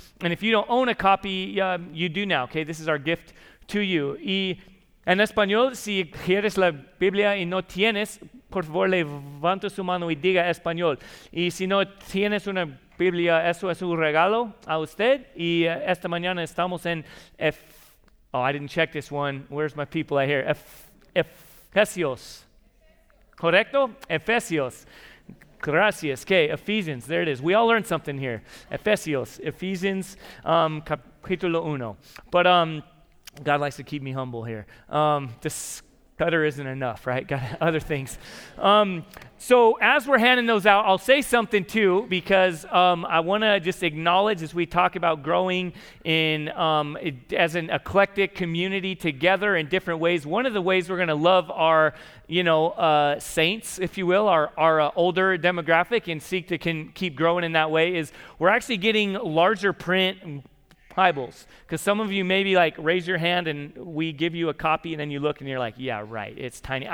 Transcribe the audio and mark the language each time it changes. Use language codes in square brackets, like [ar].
[en] And if you don't own a copy, you do now, okay? This is our gift to you. [es] Y en español, si quieres la Biblia y no tienes, por favor, levanta su mano y diga español. Y si no tienes una Biblia, eso es un regalo a usted. Y esta mañana estamos en Ephesios. Correcto? Ephesios. Gracias. [en] Okay, Ephesians. There it is. We all learned something here. Ephesians, [es] capítulo uno. [en] But God likes to keep me humble here. This cutter isn't enough, right? Got other things. So as we're handing those out, I'll say something too, because I want to just acknowledge, as we talk about growing in as an eclectic community together in different ways, one of the ways we're going to love our, you know, saints, if you will, our older demographic, and seek to keep growing in that way, is we're actually getting larger print Bibles, because some of you maybe like raise your hand and we give you a copy, and then you look and you're like, yeah, right, it's tiny.